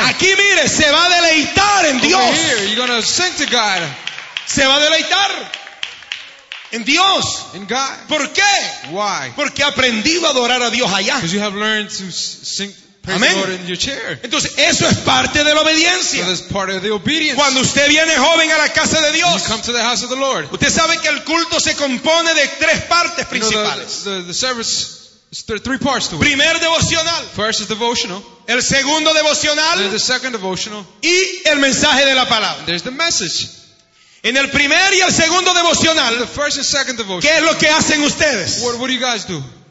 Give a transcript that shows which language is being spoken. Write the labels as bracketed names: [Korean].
[Spanish] Aquí mire, se va a deleitar en [English] over [Spanish] Dios. [English] Here, you're gonna sing to God. [Spanish] Se va a deleitar. En Dios. [English] In God. [Spanish] ¿Por qué? [English] Why? [Spanish] Porque aprendí a adorar a Dios allá. [English] Because you have learned to sing praise the Lord in your chair. [Spanish] Entonces eso es parte de la obediencia. [English] So that's part of the obedience. [Spanish] Cuando usted viene joven a la casa de Dios, [English] you come to the house of the Lord. [Spanish] Usted sabe que el culto se compone de tres partes principales. [English] You know, the service is three parts to it. [Spanish] Primer devocional. [English] First is devotional. [Spanish] El segundo devocional. [English] There's the second devotional. [Spanish] Y el mensaje de la palabra. [English] There's the message. [Spanish] En el primer y el segundo devocional, [English] the first and second devotion, [Spanish] ¿qué es lo que hacen ustedes? [English] What do you guys do?